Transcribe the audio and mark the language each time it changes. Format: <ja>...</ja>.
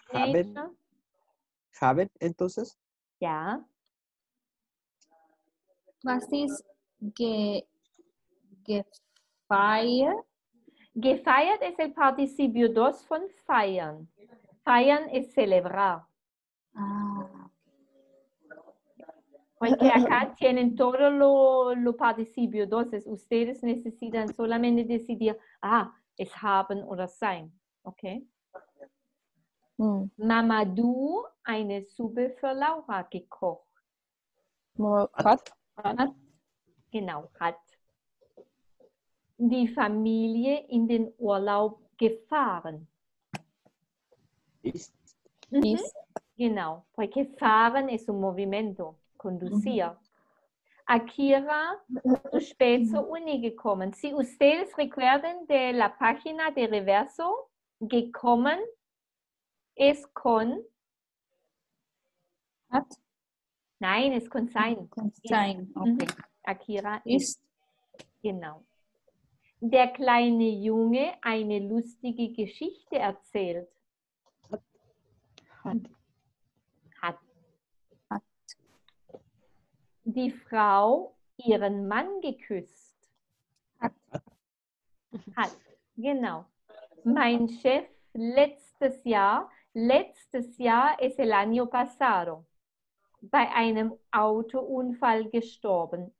<es>Teenager. Haben, entonces?</es> <de>Ja. Was ist gefeiert? Gefeiert ist</de> <es>el participio 2</es> <de>von feiern. Feiern ist</de> <es>celebrar. Ah. Porque acá tienen todo lo participio 2. Ustedes necesitan solamente decidir, ah, es</es> <de>haben oder sein.</de> <es>Okay?</es> <de>Mamadou eine Suppe für Laura gekocht. Hat. Genau, hat. Die Familie in den Urlaub gefahren. Ist. Mhm. Ist.</de> <es>Genau, porque fahren es un movimiento, conducir. Mhm.</es> <de>Akira, zu spät zur Uni gekommen.</de> <es>Si ustedes recuerden de la página de reverso, gekommen, es con.</es> <de>Hat. Nein, es kann sein. Sein, okay. Akira ist. Genau. Der kleine Junge eine lustige Geschichte erzählt. Hat. Die Frau ihren Mann geküsst. Hat. Genau. Mein Chef letztes Jahr</de> <es>es el año pasado.</es> <de>Bei einem Autounfall gestorben.</de>